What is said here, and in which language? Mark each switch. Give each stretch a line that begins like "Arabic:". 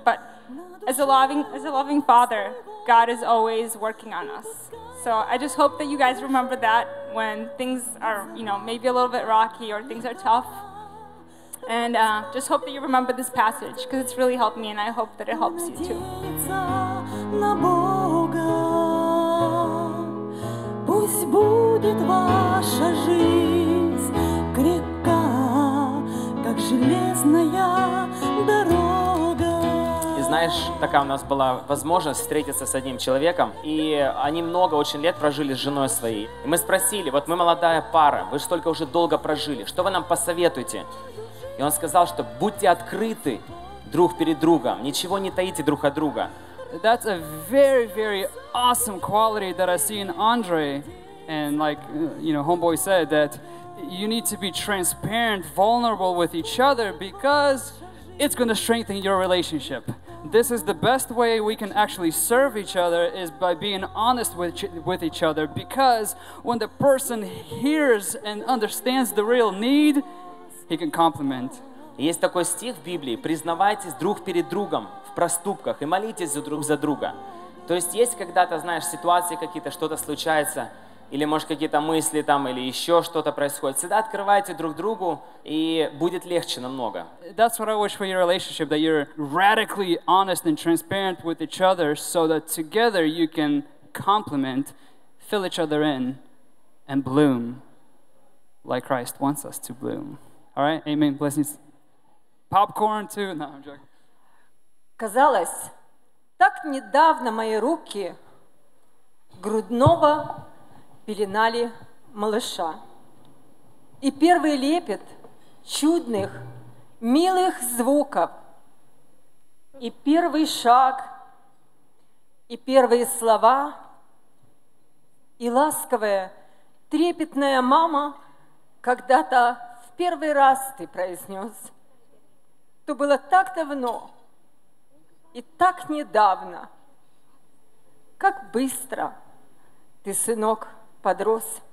English: But as a loving Father, God is always working on us. So I just hope that you guys remember that when things are, you know, maybe a little bit rocky or things are tough. And just hope that you remember this passage, because it's really helped me, and I hope that it helps you too.
Russian: На Бога. Пусть будет ваша жизнь крепка, как железная дорога. Из знаешь, такая у нас была возможность встретиться с одним человеком, и они много очень лет прожили с женой своей. И мы спросили, вот мы молодая пара, вы же столько уже долго прожили, что вы нам посоветуете? И он сказал, что будьте открыты друг перед другом, ничего не таите друг от друга.
English: That's a very, very awesome quality that I see in Andrey. And like, you know, homeboy said that you need to be transparent, vulnerable with each other because it's going to strengthen your relationship. This is the best way we can actually serve each other is by being honest with each other, because when the person hears and understands the real need, he can compliment.
Russian: Есть такой стих в Библии: признавайтесь друг перед другом в проступках и молитесь за друг за друга. То есть когда-то, знаешь, ситуации какие-то, что-то случается, или, может, какие-то мысли там, или еще что-то происходит. Всегда открывайте друг другу, и будет легче намного.
English: That's what I wish for your relationship, that you're radically honest and transparent with each other, so that together you can complement, fill each other in, and bloom, like Christ wants us to bloom. All right? Amen. Blessings. Popcorn too. No, I'm joking.
Russian: Казалось, так недавно мои руки грудного пеленали малыша. И первый лепет чудных, милых звуков, и первый шаг, и первые слова, и ласковая, трепетная мама, когда-то в первый раз ты произнес, то было так давно и так недавно, как быстро ты, сынок, подрос.